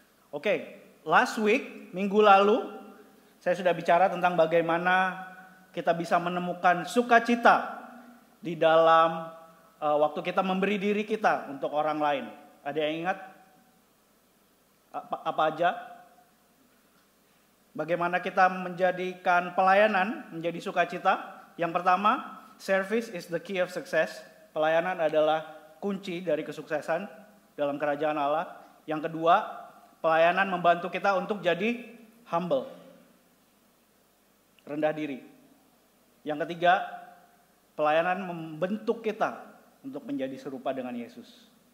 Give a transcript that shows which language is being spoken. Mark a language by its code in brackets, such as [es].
[id] Oke, [en] last week, [id] minggu lalu, saya sudah bicara tentang bagaimana kita bisa menemukan sukacita di dalam waktu kita memberi diri kita untuk orang lain. Ada yang ingat? Apa aja? Bagaimana kita menjadikan pelayanan menjadi sukacita? Yang pertama, [en] service is the key of success. [id] Pelayanan adalah kunci dari kesuksesan dalam kerajaan Allah. Yang kedua, pelayanan membantu kita untuk jadi humble, rendah diri. Yang ketiga, pelayanan membentuk kita untuk menjadi serupa dengan Yesus.